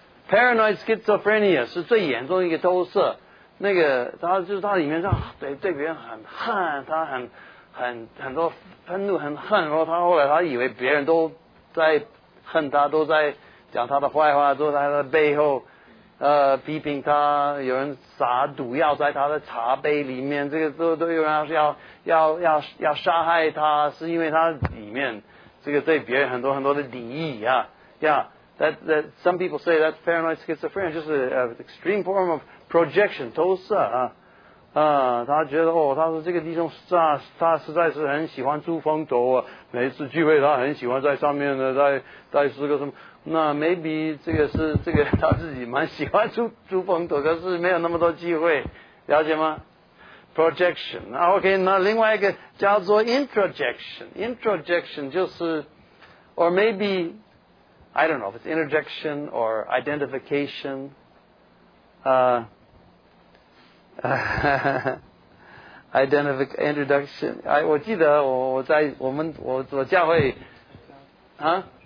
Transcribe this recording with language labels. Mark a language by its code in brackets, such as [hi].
[zh] Paranoid schizophrenia 是最严重的一个投射，那个他就是他里面上对别人很恨，他很多愤怒很恨，然后他后来他以为别人都在恨他，都在讲他的坏话，都在他的背后批评他，有人撒毒药在他的茶杯里面，这个都有人要杀害他，是因为他里面这个对别人很多很多的敌意啊。 [en] Yeah, that some people say that paranoid schizophrenia [zh] 就是 [en] extreme form of projection [zh] 投射啊。他觉得哦，他说这个弟兄他实在是很喜欢出风头啊，每次聚会他很喜欢在上面呢，在是个什么。那 [en] maybe [zh] 这个是这个他自己蛮喜欢出风头，可是没有那么多机会，了解吗 ？Projection， OK， 那另外一个叫做 introjection 就是 ， [en] or maybe I don't know if it's interjection or identification， identification introduction， [zh] 我记得我在我教会啊。